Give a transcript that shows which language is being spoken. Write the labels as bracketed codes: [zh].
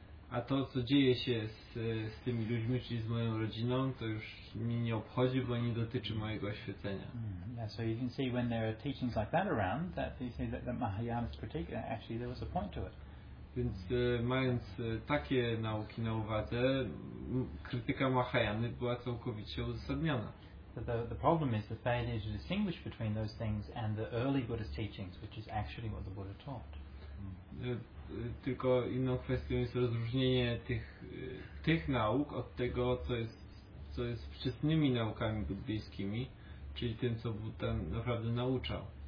[pl] A to, co dzieje się z tymi ludźmi, czyli z moją rodziną, to już mnie nie obchodzi, bo nie dotyczy mojego oświecenia. [en] Yeah, so you can see when there are teachings like that around, that they say that the Mahayanist critique, actually there was a point to it. [pl] Więc mając takie nauki na uwadze, krytyka Mahajany była całkowicie uzasadniona. [en] The problem is the failure to distinguish between those things and the early Buddhist teachings, which is actually what the Buddha taught. [pl] Tylko inną kwestią jest rozróżnienie tych nauk od tego, co jest wczesnymi naukami buddyjskimi, czyli tym, co Buddha naprawdę nauczał.